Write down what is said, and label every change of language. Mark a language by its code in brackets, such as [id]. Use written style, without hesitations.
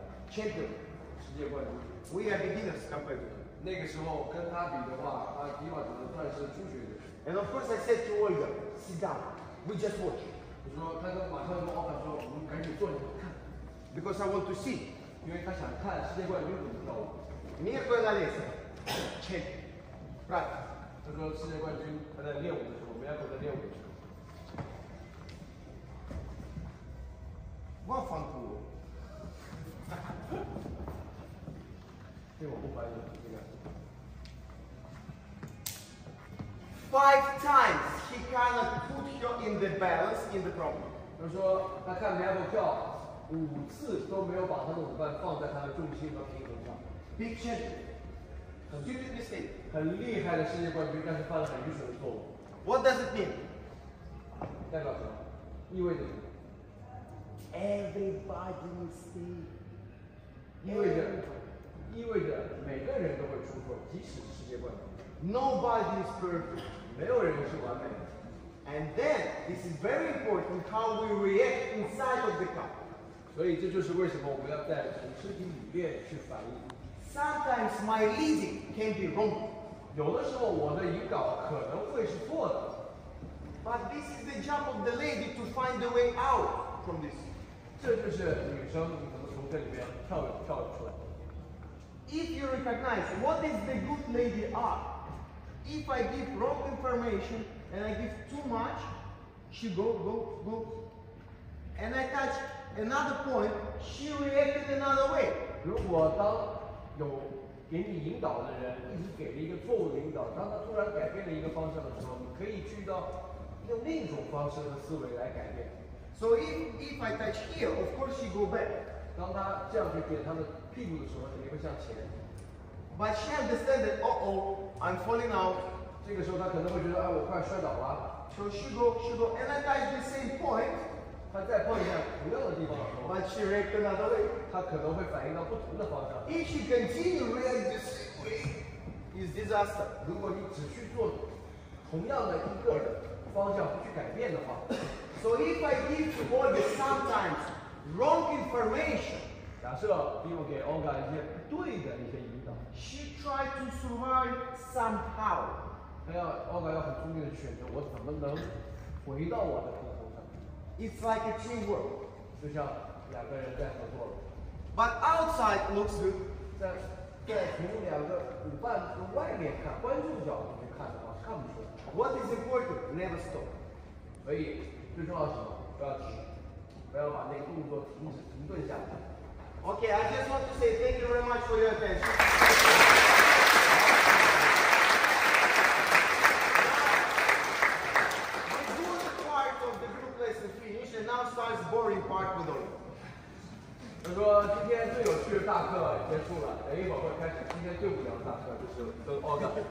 [en] Champion. We are beginners compared to him. [zh] 那个时候跟他比的话，他迪瓦只能算是初学者。 [en] And of course, I said to Olga, "Sit down, we just watch." [zh] 我说，他跟马上跟奥凡说，我们赶紧坐下来看。 [en] Because I want to see, [zh] 因为他想看世界冠军怎么跳舞。 [en] Mirko and Alessia, check, practice. [zh] 他说世界冠军他在练舞的时候 ，Mirko 在练舞的时候。我放毒。哈哈。对，我不怀疑。 [en] Five times he cannot put you in the balance in the problem. [zh] 他说他看 Mirko 跳五次都没有把他的舞伴放在他的重心和平衡上。 [en] Big champion, stupid mistake. [zh] 很厉害的世界冠军，但是犯了很愚蠢的错误。 [en] What does it mean? [zh] 代表什么？意味着什么 [en] ？Everybody mistake. [zh] 意味着每个人都会出错，即使是世界冠军。 [en] Nobody is perfect. [zh] 没有人是完美的。 [en] And then, this is very important how we react inside of the cup. [zh] 所以这就是为什么我们要带从身体里面去反应。 [en] Sometimes my leading can be wrong. [zh] 有的时候我的引导可能会是错的。 [en] But this is the job of the lady to find the way out from this. [zh] 这就是女生怎么从这里面跳出来。 [en] If you recognize what is the good lady art, if I give wrong information and I give too much, she go. And I touch another point, she reacted another way. [zh] 如果当有给你引导的人一直给了一个错误的引导，当他突然改变了一个方向的时候，你可以去到用另一种方式和思维来改变。 [en] So if I touch here, of course she go back. [zh] 当他这样去点他的屁股的时候，肯定会向前。 [en] But she understands that, I'm falling out. [zh] 这个时候他可能会觉得，哎，我快摔倒了。 [en] So she go, and I touch the same point. [zh] 他再碰一下同样的地方的时候 [en] ，But she react another way. [zh] 他可能会反应到不同的方向。 [en] If she continue react the same way, is disaster. [zh] 如果你只去做同样的一个方向不去改变的话 [en] ，So if I give to all the sometimes. Wrong information. [zh] 假设比我给 Olga 一些不对的一些引导。 [en] She tried to survive somehow. [zh] 她要 Olga 要很聪明的选择，我怎么能回到我的平衡上 [en] ？It's like a teamwork. [zh] 就像两个人在合作了。 [en] But outside looks good. [zh] 在从两个伙伴的外面看，观众角度去看的话，看不出来。 [en] What is important? Never stop. [zh] 所以最重要是什么？不要停。不要把那个动作停顿下来。 [en] Okay, I just want to say thank you very much for your attention. The good part of the group lesson finished, and now starts boring part with all. [zh] 他说今天最有趣的大课结束了，等一会儿会开始今天最无聊的大课，就是跟 Olga。